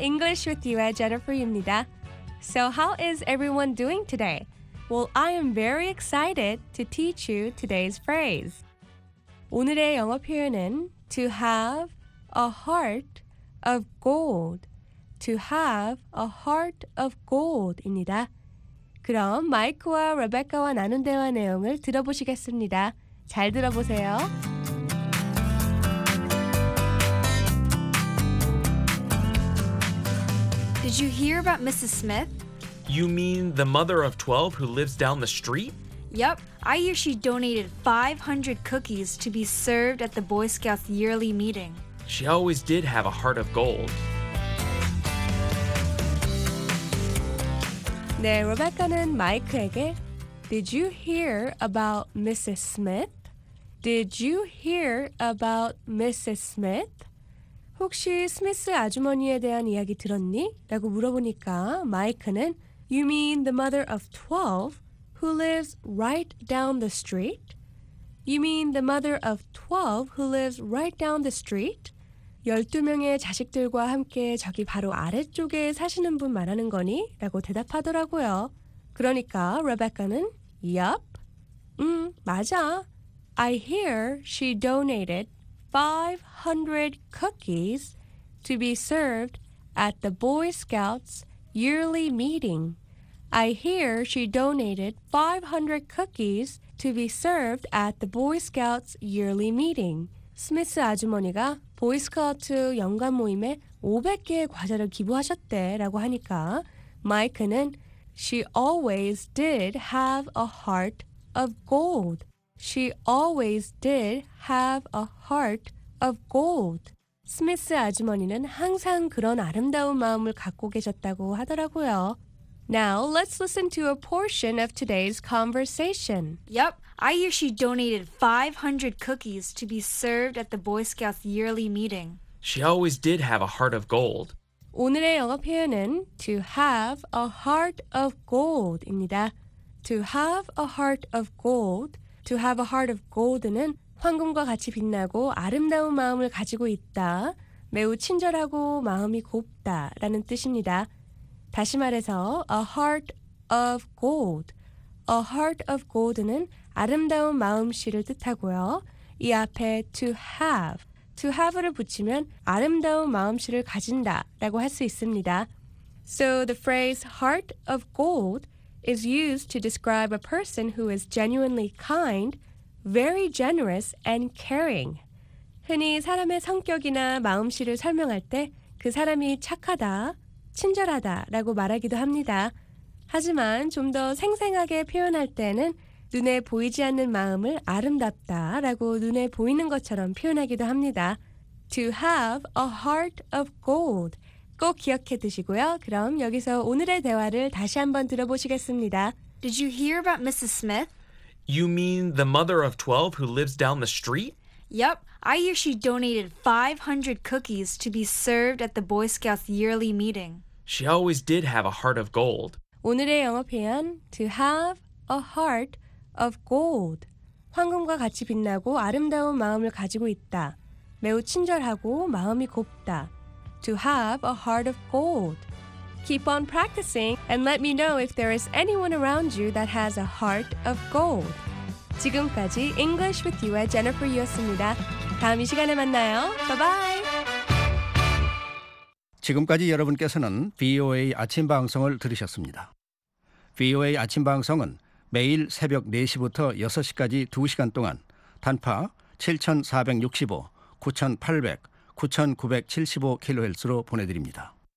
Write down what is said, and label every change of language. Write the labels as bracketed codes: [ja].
[en] English with You의 Jennifer Yu입니다. So how is everyone doing today? Well, I am very excited to teach you today's phrase. [ko] 오늘의 영어 표현은 [en] to have a heart of gold. To have a heart of gold입니다. [ko] 그럼 마이크와 레베카와 나눈 대화 내용을 들어보시겠습니다. 잘 들어보세요. [en] Did you hear about Mrs. Smith? You mean the mother of 12 who lives down the street? Yep, I hear she donated 500 cookies to be served at the Boy Scouts yearly meeting. She always did have a heart of gold. [ko] 네, 로베카는 마이크에게 [en] Did you hear about Mrs. Smith? Did you hear about Mrs. Smith? [ko] 혹시 스미스 아주머니에 대한 이야기 들었니? 라고 물어보니까 마이크는 [en] You mean the mother of 12 who lives right down the street? You mean the mother of 12 who lives right down the street? [ko] 12명의 자식들과 함께 저기 바로 아래쪽에 사시는 분 말하는 거니? 라고 대답하더라고요. 그러니까 레베카는 Yup, 맞아. [en] I hear she donated 500 cookies to be served at the Boy Scouts yearly meeting. I hear she donated 500 cookies to be served at the Boy Scouts yearly meeting. [ko] 스미스 아주머니가 보이스카우트 연간 모임에 500개의 과자를 기부하셨대라고 하니까 마이크는 [en] She always did have a heart of gold. She always did have a heart of gold. [ko] 스미스 아주머니는 항상 그런 아름다운 마음을 갖고 계셨다고 하더라고요. [en] Now, let's listen to a portion of today's conversation. Yep, I hear she donated 500 cookies to be served at the Boy Scouts yearly meeting. She always did have a heart of gold. [ko] 오늘의 영어 표현은 [en] to have a heart of gold입니다. To have a heart of gold, [ko] to have a heart of gold는 황금과 같이 빛나고 아름다운 마음을 가지고 있다, 매우 친절하고 마음이 곱다라는 뜻입니다. 다시 말해서 [en] a heart of gold. A heart of gold는 [ko] 아름다운 마음씨를 뜻하고요. 이 앞에 [en] to have. To have [ko] 를 붙이면 아름다운 마음씨를 가진다 라고 할 수 있습니다. [en] So the phrase heart of gold is used to describe a person who is genuinely kind, very generous, and caring. [ko] 흔히 사람의 성격이나 마음씨를 설명할 때 그 사람이 착하다, 친절하다 라고 말하기도 합니다. 하지만 좀 더 생생하게 표현할 때는 눈에 보이지 않는 마음을 아름답다 라고 눈에 보이는 것처럼 표현하기도 합니다. [en] To have a heart of gold. [ko] 꼭 기억해 두시고요. 그럼 여기서 오늘의 대화를 다시 한번 들어보시겠습니다. [en] Did you hear about Mrs. Smith? You mean the mother of 12 who lives down the street? Yep, I hear she donated 500 cookies to be served at the Boy Scouts yearly meeting. She always did have a heart of gold. [ko] 오늘의 영어 표현, [en] to have a heart of gold. [ko] 황금과 같이 빛나고 아름다운 마음을 가지고 있다. 매우 친절하고 마음이 곱다. [en] To have a heart of gold. Keep on practicing and let me know if there is anyone around you that has a heart of gold. [ko] 지금까지 English with You의 Jennifer Yu였습니다. 다음 이 시간에 만나요. [en] Bye-bye. [ko] 지금까지 여러분께서는 VOA 아침 방송을 들으셨습니다. VOA 아침 방송은 매일 새벽 4시부터 6시까지 2시간 동안 단파 7465, 9800, 9975 kHz로 보내드립니다.